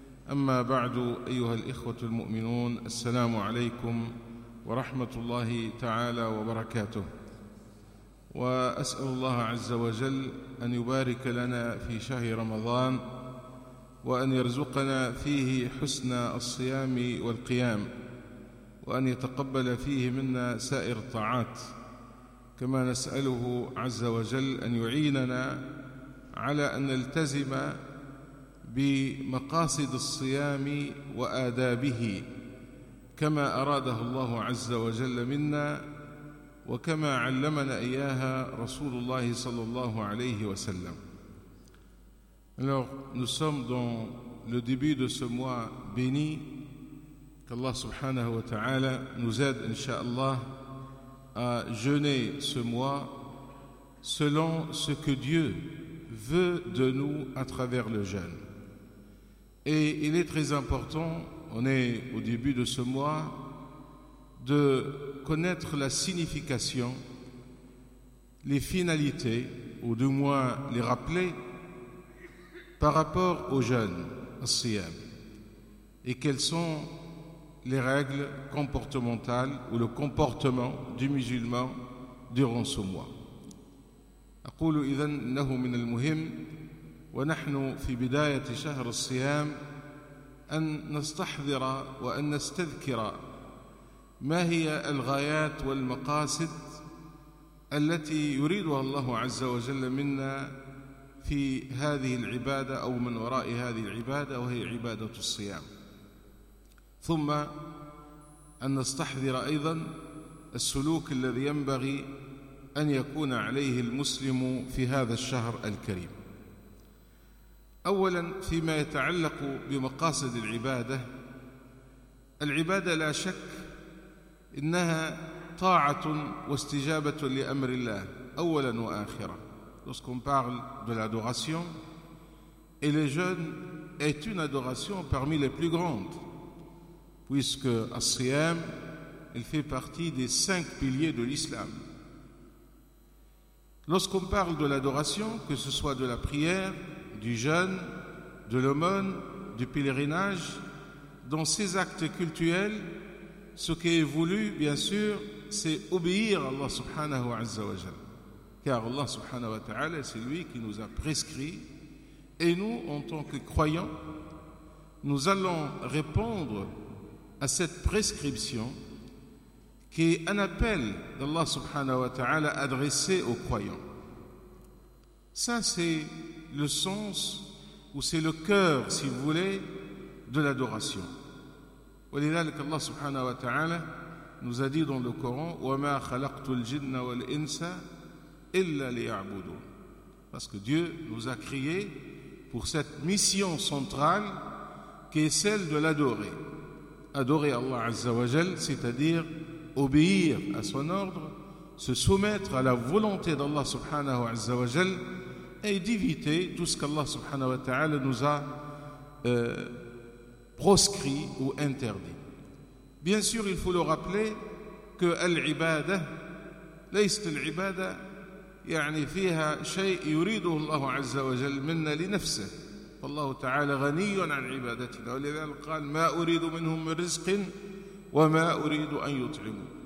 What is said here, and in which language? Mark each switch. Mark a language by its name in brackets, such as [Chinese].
[Arabic] أما بعد، أيها الإخوة المؤمنون، السلام عليكم ورحمة الله تعالى وبركاته، وأسأل الله عز وجل أن يبارك لنا في شهر رمضان، وأن يرزقنا فيه حسن الصيام والقيام، وأن يتقبل فيه منا سائر الطاعات، كما نسأله عز وجل أن يعيننا على أن نلتزم بمقاصد الصيام وآدابه كما أراده الله عز وجل منا، وكما علمنا إياها رسول الله صلى الله عليه وسلم. [French] Alors, nous sommes dans le début de ce mois béni, qu'Allah subhanahu wa ta'ala nous aide, inshallah, à jeûner ce mois selon ce que Dieu veut de nous à travers le jeûne. Et il est très important, on est au début de ce mois, de connaître la signification, les finalités, ou du moins les rappeler, par rapport au jeûne, au siyam, et quelles sont les règles comportementales ou le comportement du musulman durant ce mois. [Arabic] أقول إذن إنه من المهم ونحن في بداية شهر الصيام أن نستحضر وأن نستذكر ما هي الغايات والمقاصد التي يريدها الله عز وجل منا في هذه العبادة أو من وراء هذه العبادة، وهي عبادة الصيام. ثم أن نستحضر أيضا السلوك الذي ينبغي أن يكون عليه المسلم في هذا الشهر الكريم. أولا، فيما يتعلق بمقاصد العبادة، العبادة لا شك إنها طاعة واستجابة لأمر الله أولا وآخرا. [French] Lorsqu'on parle de l'adoration, et le jeûne est une adoration parmi les plus grandes, puisque As-Siyam, il fait partie des cinq piliers de l'islam. Lorsqu'on parle de l'adoration, que ce soit de la prière, du jeûne, de l'aumône, du pèlerinage, dans ces actes cultuels, ce qui est voulu, bien sûr, c'est obéir à Allah subhanahu wa azzawajal. Car Allah subhanahu wa ta'ala, c'est lui qui nous a prescrit. Et nous, en tant que croyants, nous allons répondre à cette prescription qui est un appel d'Allah subhanahu wa ta'ala adressé aux croyants. Ça, c'est le sens, ou c'est le cœur, si vous voulez, de l'adoration. [Arabic] ولذلك الله سبحانه وتعالى [French] nous a dit dans le Coran [Arabic] وما خلقت الجن والإنس إلا ليعبدون. [French] Parce que Dieu nous a créé pour cette mission centrale qui est celle de l'adorer. Adorer Allah عز وجل, c'est-à-dire obéir à son ordre, se soumettre à la volonté d'Allah سبحانه عز وجل, et d'éviter tout ce qu'Allah سبحانه وتعالى nous a proscrit ou interdit. Bien sûr, il faut le rappeler que l'ibada [Arabic] ليست العبادة يعني فيها شيء يريده الله عز وجل منا لنفسه. الله تعالى غني عن عبادتنا، ولذلك قال ما أريد منهم من رزق وما أريد أن يطعموا.